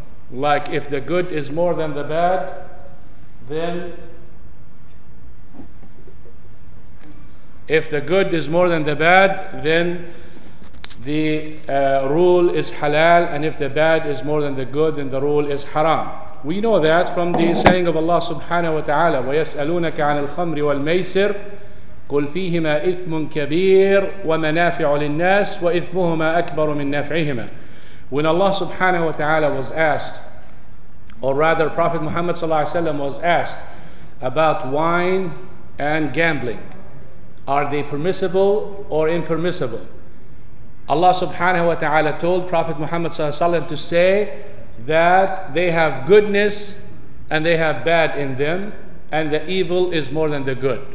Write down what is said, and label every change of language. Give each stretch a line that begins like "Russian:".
English: Like, if the good is more than the bad, then if the good is more than the bad, then the rule is halal, and if the bad is more than the good, then the rule is haram. We know that from the saying of Allah subhanahu wa ta'ala,
Arabic: وَيَسْأَلُونَكَ عَنِ الْخَمْرِ وَالْمَيْسِرِ قُلْ فِيهِمَا إِثْمٌ كَبِيرٌ وَمَنَافِعُ لِلنَّاسِ وَإِثْمُهُمَا أَكْبَرُ مِنْ نَفْعِهِمَا.
English: When Allah subhanahu wa ta'ala was asked, or rather Prophet Muhammad sallallahu alayhi wa sallam was asked about wine and gambling, are they permissible or impermissible? Allah subhanahu wa ta'ala told Prophet Muhammad sallallahu alayhi wa sallam to say that they have goodness and they have bad in them, and the evil is more than the good.